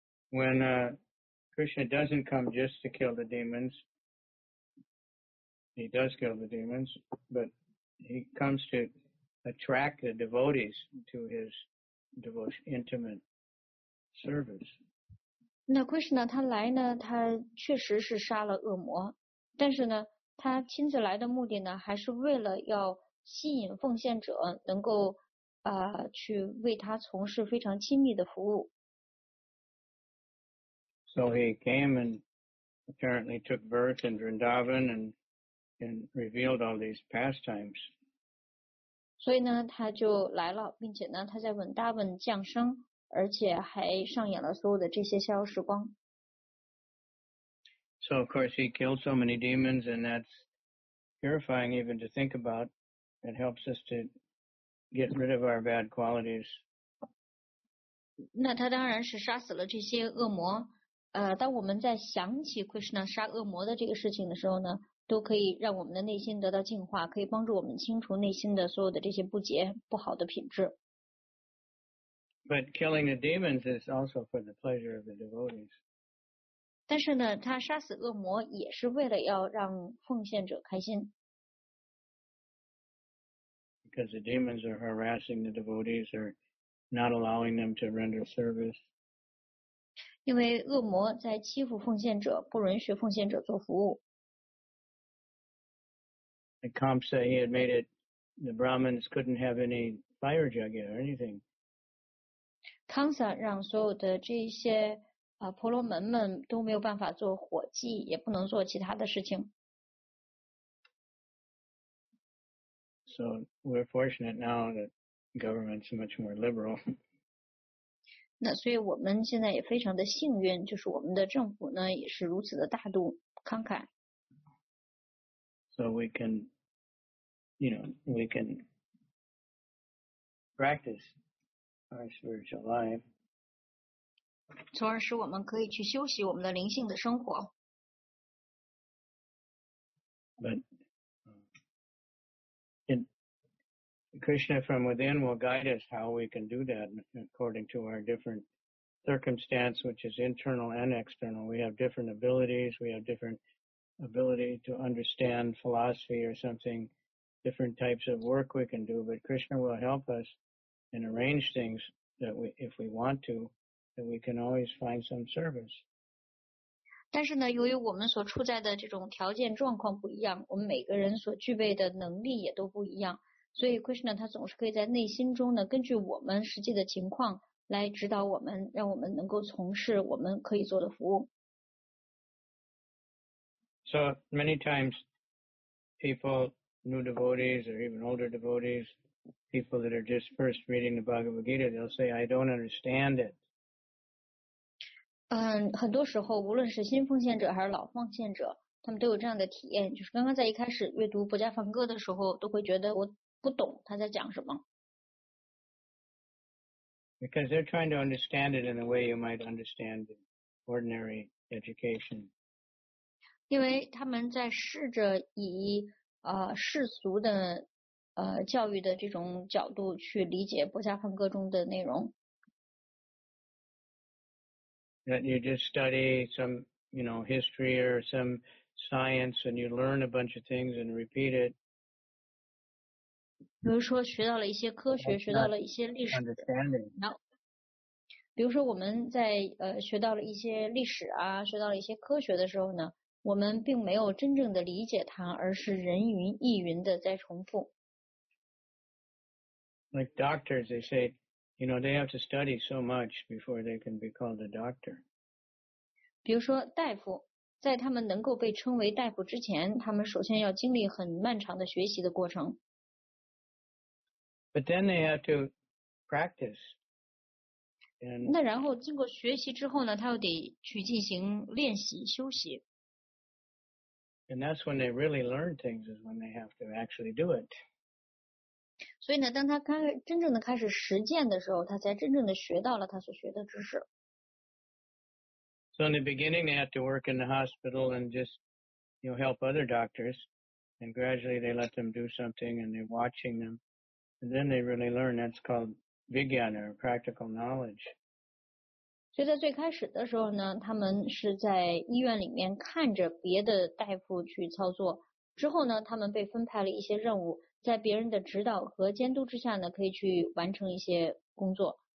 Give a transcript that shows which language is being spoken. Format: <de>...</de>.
<en>When Krishna doesn't come just to kill the demons,He does kill the demons, but he comes to attract the devotees to his devotion, intimate service.</en> <zh>那 Krishna 他来呢，他确实是杀了恶魔，但是呢，他亲自来的目的呢，还是为了要吸引奉献者能够去为他从事非常亲密的服务。</zh> <en>So he came and apparently took birth in Vrindavan and revealed all these pastimes.</en> <zh>所以呢，他就来了，并且呢，他在文达文降生，而且还上演了所有的这些逍遥时光。</zh> <en>So of course he killed so many demons, and that's purifying even to think about. It helps us to get rid of our bad qualities.</en> <zh>那他当然是杀死了这些恶魔。当我们在想起 Krishna 杀恶魔的这个事情的时候呢，都可以让我们的内心得到净化，可以帮助我们清除内心的所有的这些不洁、不好的品质。</zh> <en>But killing the demons is also for the pleasure of the devotees.</en> <zh>但是呢，他杀死恶魔也是为了要让奉献者开心。</zh> <en>Because the demons are harassing the devotees or not allowing them to render service.</en> <zh>因为恶魔在欺负奉献者，不允许奉献者做服务。</zh> <en>And Kamsa, he had made it, the Brahmins couldn't have any fire jagya or anything.</en> <zh>Kamsa 让所有的这些婆罗门们都没有办法做火祭，也不能做其他的事情。</zh> <en>So we're fortunate now that government's much more liberal.</en> <zh>那所以我们现在也非常的幸运，就是我们的政府呢也是如此的大度慷慨。</zh> <en>So we can, you know, we can practice our spiritual life.</en> <zh>从而使我们可以去休息我们的灵性的生活。</zh> <en>But Krishna from within will guide us how we can do that according to our different circumstance, which is internal and external. We have different abilities. We have different ability to understand philosophy or something, different types of work we can do. But Krishna will help us and arrange things that we, if we want to, that we can always find some service.</en> <zh>但是呢，由于我们所处在的这种条件状况不一样，我们每个人所具备的能力也都不一样。所以 Krishna 他总是可以在内心中呢，根据我们实际的情况来指导我们，让我们能够从事我们可以做的服务。</zh> <en>So many times, people, new devotees or even older devotees, people that are just first reading the Bhagavad Gita, they'll say, "I don't understand it."</en> <zh>很多时候，无论是新奉献者还是老奉献者，他们都有这样的体验，就是刚刚在一开始阅读《薄伽梵歌》的时候，都会觉得我。不懂他在讲什么。</zh> <en>Because they're trying to understand it in the way you might understand ordinary education.</en> <zh>因为他们在试着以世俗的教育的这种角度去理解《薄伽梵歌》中的内容。</zh> <en>That you just study some, you know, history or some science, and you learn a bunch of things and repeat it.</en> <zh>比如说学到了一些科学，学到了一些历史，比如说我们在学到了一些历史啊，学到了一些科学的时候呢，我们并没有真正的理解它，而是人云亦云的在重复。</zh> <en>Like doctors, they say, you know, they have to study so much before they can be called a doctor.</en> <zh>比如说大夫，在他们能够被称为大夫之前，他们首先要经历很漫长的学习的过程。</zh> <en>But then they have to practice. And</en> <zh>那然后经过学习之后呢，他又得去进行练习修习。</zh> <en>And that's when they really learn things, is when they have to actually do it.</en> <zh>所以呢，当他真正的开始实践的时候，他才真正的学到了他所学的知识。</zh> <en>So in the beginning, they have to work in the hospital and just, you know, help other doctors. And gradually, they let them do something, and they're watching them. And then they really learn. That's called vijnana, practical knowledge.</en> <zh>所以在最开始的时候呢，他们是在医院里面看着别的大夫去操作。之后呢，他们被分派了一些任务，在别人的指导和监督之下呢，可以去完成一些工作。</zh>